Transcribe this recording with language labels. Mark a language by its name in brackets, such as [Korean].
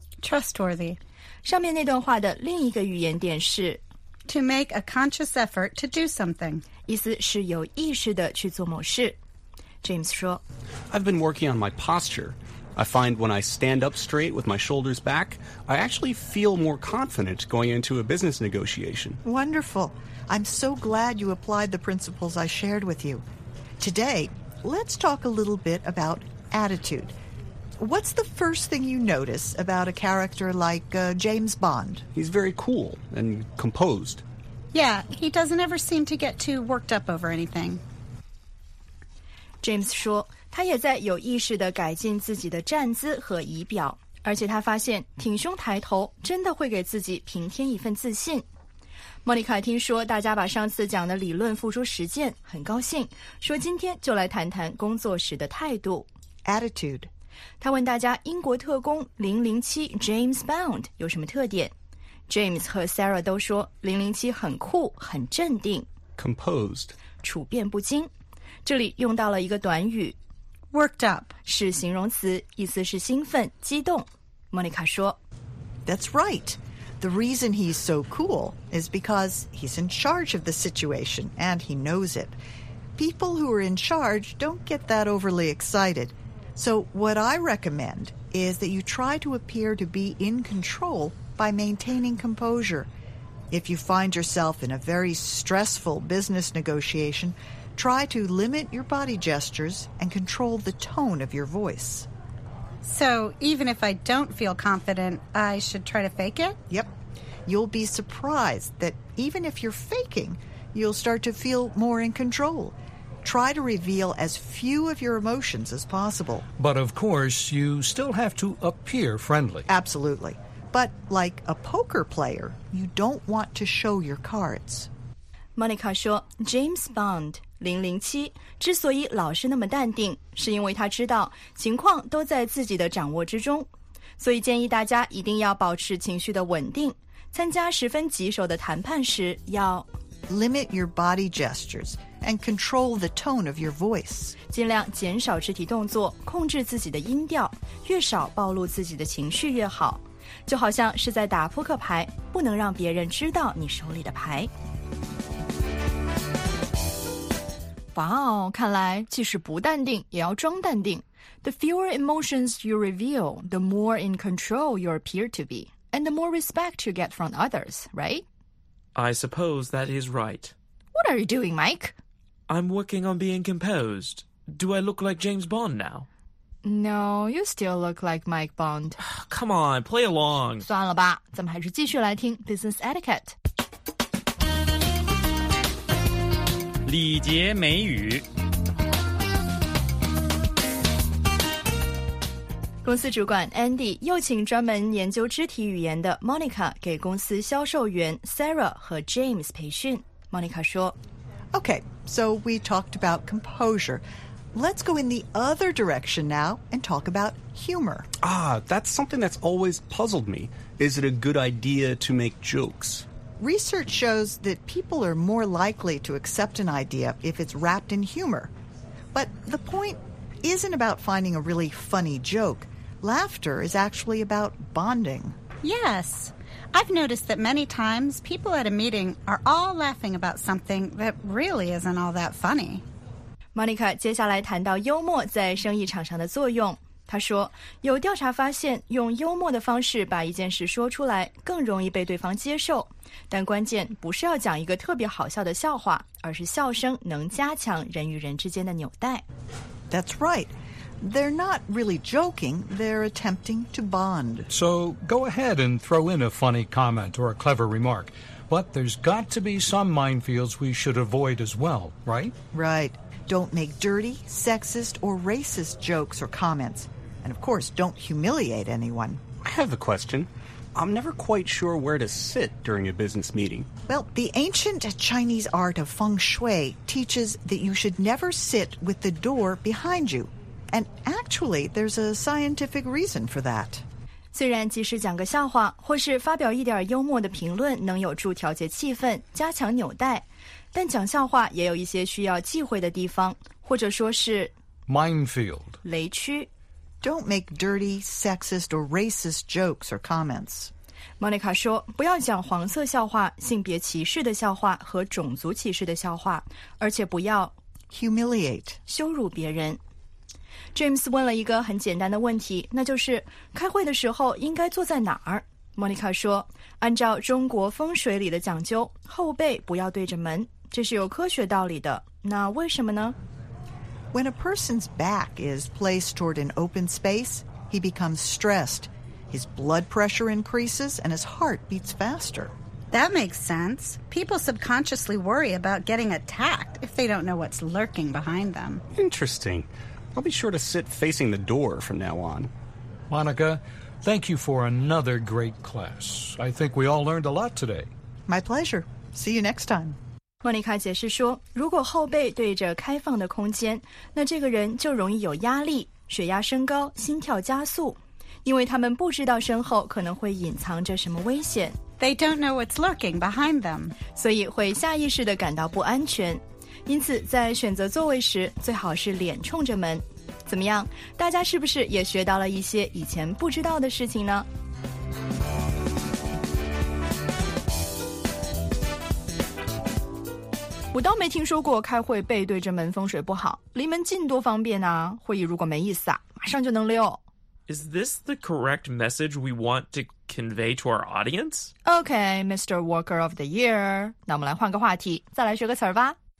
[English] Trustworthy [Chinese] 上面那段话的另一个语言点是 [English] To make a conscious effort to do something [Chinese] 意思是有意识地去做某事 James 说 [English] I've been working on my posture I find when I stand up straight with my shoulders back I actually feel more confident going into a business negotiation WonderfulI'm so glad you applied the principles I shared with you. Today, let's talk a little bit about attitude. What's the first thing you notice about a character like, James Bond? He's very cool and composed. Yeah, he doesn't ever seem to get too worked up over anything. [Chinese] James 说，他也在有意识地改进自己的站姿和仪表，而且他发现挺胸抬头真的会给自己平添一份自信。莫妮卡听说大家把上次讲的理论付诸实践，很高兴，说今天就来谈谈工作时的态度 [English] Attitude。 [Chinese] 他问大家英国特工007 James Bond 有什么特点。 James 和 Sarah 都说007很酷，很镇定 [English] Composed， [Chinese] 处变不惊。这里用到了一个短语 [English] Worked up， [Chinese] 是形容词，意思是兴奋激动。莫妮卡说 [English] That's right。 The reason he's so cool is because he's in charge of the situation and he knows it. People who are in charge don't get that overly excited. So what I recommend is that you try to appear to be in control by maintaining composure. If you find yourself in a very stressful business negotiation, try to limit your body gestures and control the tone of your voice. So, even if I don't feel confident, I should try to fake it? Yep. You'll be surprised that even if you're faking, you'll start to feel more in control. Try to reveal as few of your emotions as possible. But of course, you still have to appear friendly. Absolutely. But like a poker player, you don't want to show your cards. [Chinese] Monica 说, James Bond. 007之所以老是那么淡定，是因为他知道情况都在自己的掌握之中，所以建议大家一定要保持情绪的稳定。参加十分棘手的谈判时，要 [English] limit your body gestures and control the tone of your voice， [Chinese] 尽量减少肢体动作，控制自己的音调，越少暴露自己的情绪越好，就好像是在打扑克牌，不能让别人知道你手里的牌。哇哦，看来即使不淡定也要装淡定。 [English] The fewer emotions you reveal, the more in control you appear to be, and the more respect you get from others, right? I suppose that is right. What are you doing, Mike? I'm working on being composed. Do I look like James Bond now? No, you still look like Mike Bond. Come on, play along. [Chinese] 算了吧，咱们还是继续来听 Business Etiquette。礼节美语。公司主管 Andy 又请专门研究肢体语言的 Monica 给公司销售员 Sarah 和 James 培训。 Monica 说 [English] Okay, so we talked about composure. Let's go in the other direction now and talk about humor. Ah, that's something that's always puzzled me. Is it a good idea to make jokes? Research shows that people are more likely to accept an idea if it's wrapped in humor. But the point isn't about finding a really funny joke. Laughter is actually about bonding. Yes. I've noticed that many times people at a meeting are all laughing about something that really isn't all that funny. [Chinese] Monica 接下来谈到幽默在生意场上的作用。她说，有调查发现，用幽默的方式把一件事说出来，更容易被对方接受。但关键不是要讲一个特别好笑的笑话，而是笑声能加强人与人之间的纽带。 [English] That's right. They're not really joking. They're attempting to bond. So go ahead and throw in a funny comment or a clever remark. But there's got to be some minefields we should avoid as well, right? Right. Don't make dirty, sexist, or racist jokes or comments. And of course, don't humiliate anyone. I have a question. I'm never quite sure where to sit during a business meeting. Well, the ancient Chinese art of feng shui teaches that you should never sit with the door behind you. And actually, there's a scientific reason for that. [Chinese] 虽然即使讲个笑话或是发表一点幽默的评论能有助调节气氛，加强纽带，但讲笑话也有一些需要忌讳的地方，或者说是 [English] minefield [Chinese] 雷区。 [English] Don't make dirty, sexist, or racist jokes or comments. [Chinese] Monica 说，不要讲黄色笑话、性别歧视的笑话和种族歧视的笑话，而且不要 [English] humiliate [Chinese] 羞辱别人。 James 问了一个很简单的问题，那就是开会的时候应该坐在哪儿？ Monica 说，按照中国风水里的讲究，后背不要对着门，这是有科学道理的。那为什么呢？ [English] When a person's back is placed toward an open space, he becomes stressed. His blood pressure increases and his heart beats faster. That makes sense. People subconsciously worry about getting attacked if they don't know what's lurking behind them. Interesting. I'll be sure to sit facing the door from now on. Monica, thank you for another great class. I think we all learned a lot today. My pleasure. See you next time. [Chinese] 莫妮卡解释说，如果后背对着开放的空间，那这个人就容易有压力，血压升高，心跳加速，因为他们不知道身后可能会隐藏着什么危险。 [English] They don't know what's lurking behind them. [Chinese] 所以会下意识地感到不安全。因此在选择座位时最好是脸冲着门。怎么样？大家是不是也学到了一些以前不知道的事情呢？我倒没听说过开会背对着门风水不好，离门近多方便啊，会议如果没意思啊，马上就能溜。 [English] Is this the correct message we want to convey to our audience? Okay, Mr. Worker of the Year. [Chinese] 那我们来换个话题，再来学个词儿吧。